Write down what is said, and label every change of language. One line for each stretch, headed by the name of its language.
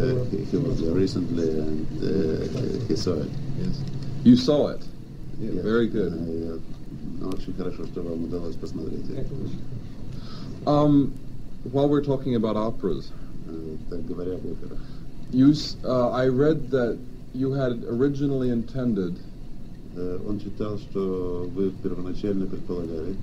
English: He was there recently and he saw it. Yes. You saw it? Yeah, yes. Very good.
Russian: Очень хорошо, что вам удалось посмотреть.
English: While we're talking about operas, I read that you had originally intended
Russian: он читал, что вы первоначально предполагали